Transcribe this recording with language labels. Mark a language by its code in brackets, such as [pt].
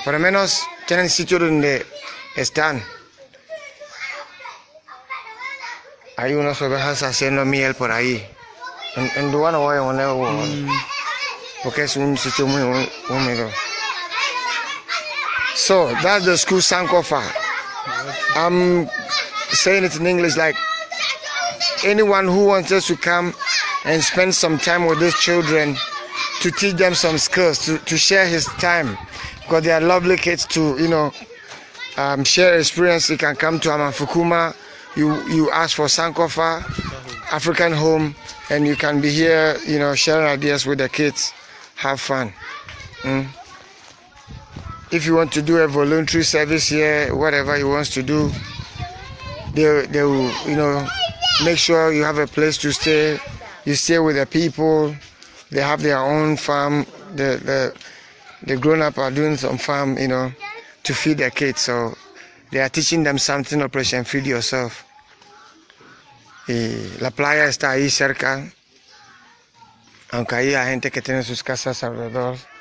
[es] Por lo menos tienen sitio donde están. Hay unas ovejas haciendo miel por ahí. En Duano voy a poner porque es un sitio muy húmedo. [en] So, that's the school Sankofa. I'm saying it in English like anyone who wants to come and spend some time with these children to teach them some skills, to share his time. Because they are lovely kids to, you know, share experience. You can come to Amafukuma. You ask for Sankofa, African home, and you can be here, you know, sharing ideas with the kids. Have fun. If you want to do a voluntary service here, whatever he wants to do, they will, you know, make sure you have a place to stay. You stay with the people. They have their own farm. The grown-up are doing some farm, you know, to feed their kids. So they are teaching them something, operation, feed yourself. [es] Y la playa está ahí cerca, aunque ahí hay gente que tiene sus casas alrededor.